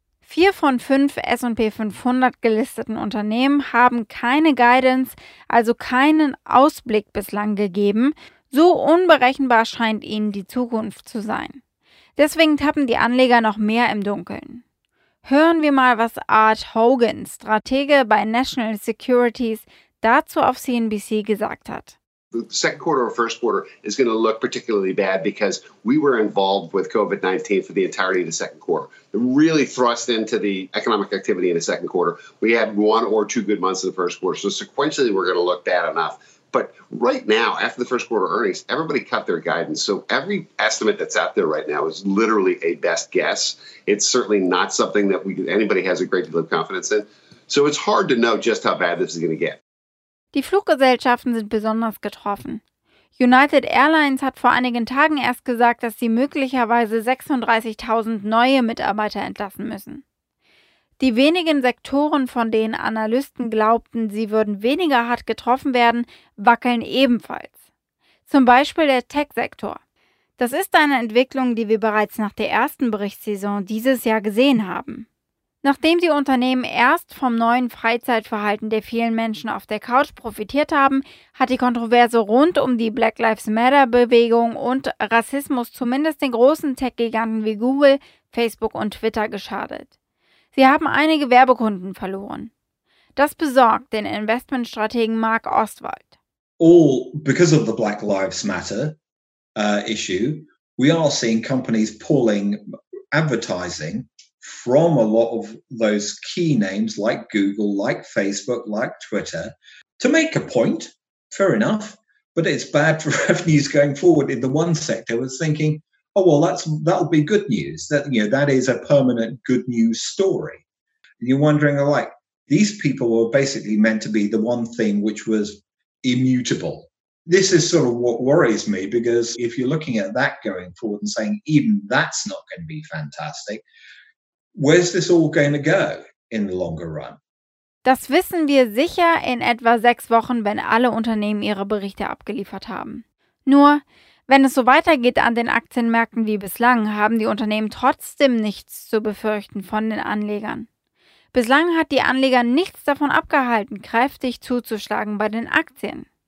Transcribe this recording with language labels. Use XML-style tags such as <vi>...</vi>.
<de>4 von 5 S&P 500 gelisteten Unternehmen haben keine Guidance, also keinen Ausblick bislang gegeben. So unberechenbar scheint ihnen die Zukunft zu sein. Deswegen tappen die Anleger noch mehr im Dunkeln. Hören wir mal, was Art Hogan, Stratege bei National Securities, dazu auf CNBC gesagt hat.</de> <en>The second quarter or first quarter is going to look particularly bad because we were involved with COVID-19 for the entirety of the second quarter. It really thrust into the economic activity in the second quarter. We had one or two good months in the first quarter, so sequentially we're going to look bad enough. But right now, after the first quarter earnings, everybody cut their guidance. So every estimate that's out there right now is literally a best guess. It's certainly not something that anybody has a great deal of confidence in. So it's hard to know just how bad this is going to get.</en> <de>Die Fluggesellschaften sind besonders getroffen. United Airlines hat vor einigen Tagen erst gesagt, dass sie möglicherweise 36.000 neue Mitarbeiter entlassen müssen. Die wenigen Sektoren, von denen Analysten glaubten, sie würden weniger hart getroffen werden, wackeln ebenfalls. Zum Beispiel der Tech-Sektor. Das ist eine Entwicklung, die wir bereits nach der ersten Berichtssaison dieses Jahr gesehen haben. Nachdem die Unternehmen erst vom neuen Freizeitverhalten der vielen Menschen auf der Couch profitiert haben, hat die Kontroverse rund um die Black Lives Matter-Bewegung und Rassismus zumindest den großen Tech-Giganten wie Google, Facebook und Twitter geschadet. Sie haben einige Werbekunden verloren. Das besorgt den Investmentstrategen Mark Ostwald.</de> <en>All because of the Black Lives Matter issue, we are seeing companies pulling advertising from a lot of those key names like Google, like Facebook, like Twitter, to make a point, fair enough, but it's bad for revenues going forward. In the one sector, I was thinking, oh, well, that'll be good news. That, you know, that is a permanent good news story. And you're wondering, like, these people were basically meant to be the one thing which was immutable. This is sort of what worries me, because if you're looking at that going forward and saying, even that's not going to be fantastic, where's this all going to go in the longer run?</en> <de>Das wissen wir sicher in etwa 6 Wochen, wenn alle Unternehmen ihre Berichte abgeliefert haben. Nur, wenn es so weitergeht an den Aktienmärkten wie bislang, haben die Unternehmen trotzdem nichts zu befürchten von den Anlegern. Bislang hat die Anleger nichts davon abgehalten, kräftig zuzuschlagen bei den Aktien.</de>